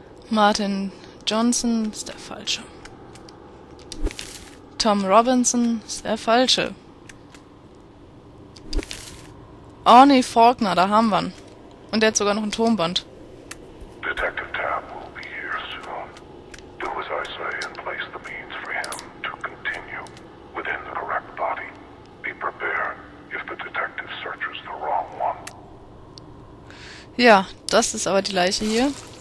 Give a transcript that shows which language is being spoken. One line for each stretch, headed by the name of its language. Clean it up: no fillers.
German: Martin Johnson ist der Falsche. Tom Robinson ist der Falsche. Arnie Faulkner, da haben wir ihn. Und der hat sogar noch ein Turmband.
English: Detective Tapp will be here soon. Do as I say and place the means for him to continue within the correct body. Be prepared if the detective searches the wrong one.
German: Ja, das ist aber die Leiche hier.